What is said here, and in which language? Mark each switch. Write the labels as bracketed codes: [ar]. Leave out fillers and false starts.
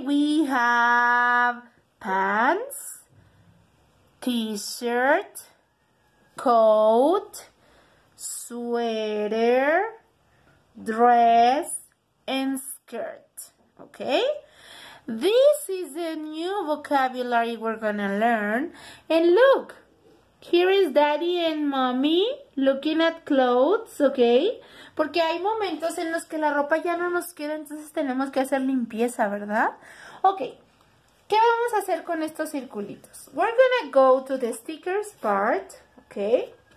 [en] We have pants, t-shirt, coat, sweater, dress, and skirt, okay? This is a new vocabulary we're gonna learn. And look, here is Daddy and Mommy looking at clothes, okay? [es] Porque hay momentos en los que la ropa ya no nos queda, entonces tenemos que hacer limpieza, ¿verdad? Okay, ¿qué vamos a hacer con estos circulitos? [en] We're gonna go to the stickers part, okay?